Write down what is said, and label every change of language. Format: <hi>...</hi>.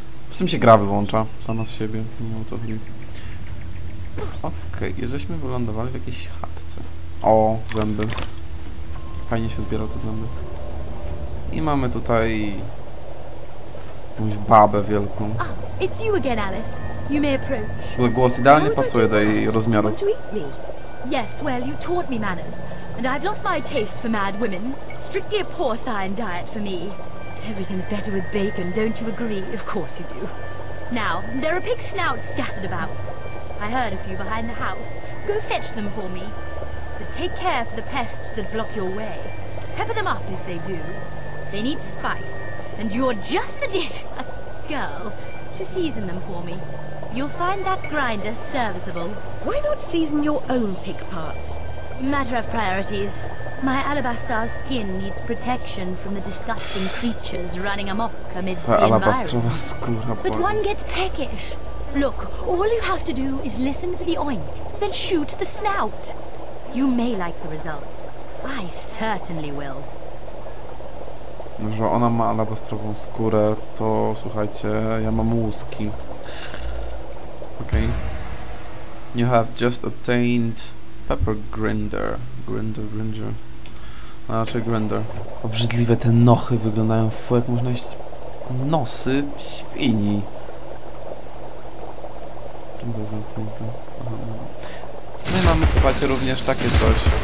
<pl>W tym się gra wyłącza sama z siebie, nie wiem, o co chodzi. Okej, jesteśmy wylądowali w jakiejś chatce. O, zęby. Fajnie się zbiera te zęby. I mamy tutaj jakąś babę wielką.</pl> <en>It's you again, Alice. You may approach.</en> <pl>Ale głos idealnie pasuje do jej rozmiaru.</pl> <en>Yes, well, you taught me manners, and I've lost my taste for mad women. Strictly a porcine diet for me. Everything's better with bacon, don't you agree? Of course you do. Now, there are pig snouts scattered about. I heard a few behind the house. Go fetch them for me. But take care for the pests that block your way. Pepper them up if they do. They need spice, and you're just the dear girl to season them for me. You'll find that grinder serviceable. Why not season your own pig parts? Matter of priorities. My alabaster's skin needs protection from the disgusting creatures running amok amidst the environment. But one gets peckish. Look, all you have to do is listen for the oink, then shoot the snout. You may like the results. I certainly will.</en> <pl>Że ona ma alabastrową skórę, to słuchajcie, ja mam łuski. Okej. Okay.</pl> <en>You have just obtained pepper grinder.</en> <pl>Grinder. A raczej grinder. Obrzydliwe te nochy wyglądają, fu, jak można jeść nosy świni. Czym to jest zamknięte? Aha. No i mamy, słuchajcie, również takie coś.</pl>